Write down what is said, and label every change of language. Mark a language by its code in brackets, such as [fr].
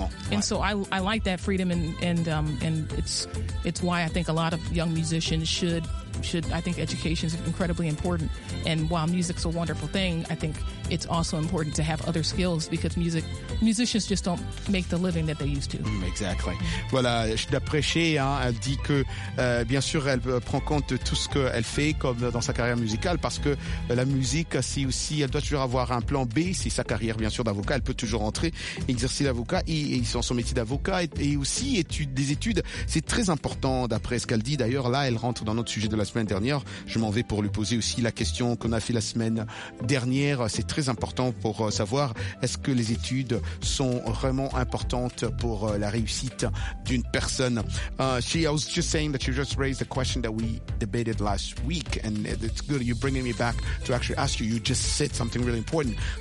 [en] And so I like that freedom, and it's why I think a lot of young musicians should I think education is incredibly important. And while music's a wonderful thing, I think it's also important to have other skills, because musicians just don't make the living that they used to. Exactly. [fr] Voilà, d'après Shea, hein, elle dit que bien sûr elle prend compte de tout ce qu'elle fait comme dans sa carrière musicale, parce que la musique, c'est aussi, elle doit toujours avoir un plan B. C'est sa carrière bien sûr d'avocat, elle peut toujours entrer exercer l'avocat et dans son métier d'avocat et aussi des études, c'est très important d'après ce qu'elle dit. D'ailleurs là elle rentre dans notre sujet de la semaine dernière, je m'en vais pour lui poser aussi la question qu'on a fait la semaine dernière. C'est très important pour savoir est-ce que les études sont vraiment importantes pour la réussite d'une personne. [en] She, I was just saying that you just raised a question that we debated last week, and it's good you're bringing me back to actually ask you. You just said something really important.